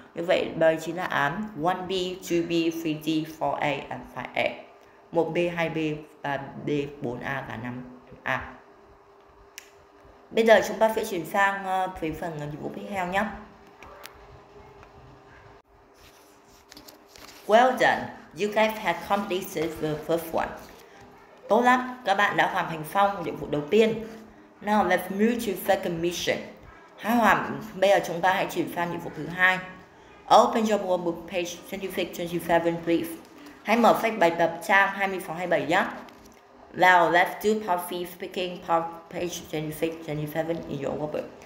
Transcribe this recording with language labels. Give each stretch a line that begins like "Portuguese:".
Vietnamese: Như vậy đây chính là án 1B, 2B, 3D, 4A and 5A, 1B, 2B và D, 4A và 5A. Bây giờ chúng ta sẽ chuyển sang về phần nhiệm vụ tiếp theo nhé.
English: Well done, you guys have completed the first one.
Vietnamese: Tốt lắm, các bạn đã hoàn thành xong nhiệm vụ đầu tiên.
English: Now let's move to second mission.
Vietnamese: Hãy hoàn, bây giờ chúng ta hãy chuyển sang nhiệm vụ thứ hai.
English: Open your workbook page 26-27, please.
Vietnamese: Hãy mở sách bài tập trang 26-27 nhé.
English: Now let's do part three speaking part page 26-27 in your workbook.